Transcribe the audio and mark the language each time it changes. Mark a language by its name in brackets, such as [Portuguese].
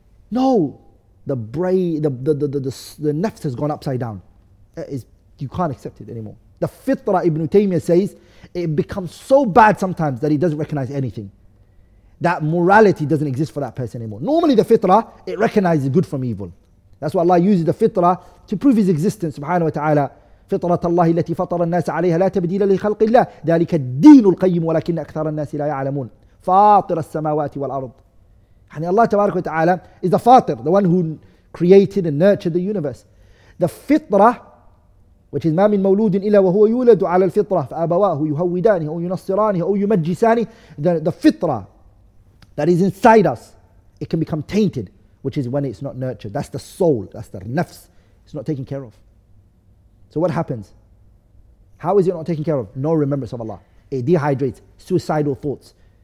[English] No, the nafs has gone upside down. You can't accept it anymore. The fitrah, Ibn Taymiyyah says, it becomes so bad sometimes that he doesn't recognize anything. That morality doesn't exist for that person anymore. Normally the fitrah, it recognizes good from evil. That's why Allah uses the fitrah to prove his existence, subhanahu wa ta'ala. [Arabic] فطرة الله التي فطر الناس عليها لا تبديل لخلق الله ذلك الدين القيم ولكن أكثر الناس لا يعلمون فاطر السماوات والأرض. يعني الله تبارك وتعالى [English] is the fatir, the one who created and nurtured the universe. The [Arabic] فطرة, [English] which is [Arabic] ما من مولود إلا وهو يولد على الفطرة فأبواه يهودانه أو ينصرانه أو يمجسانه. [English] The فطرة that is inside us, it can become tainted, which is when it's not nurtured. That's the soul, that's the nafs, it's not taken care of. So what happens? How is it not taken care of? No remembrance of Allah. It dehydrates, suicidal thoughts.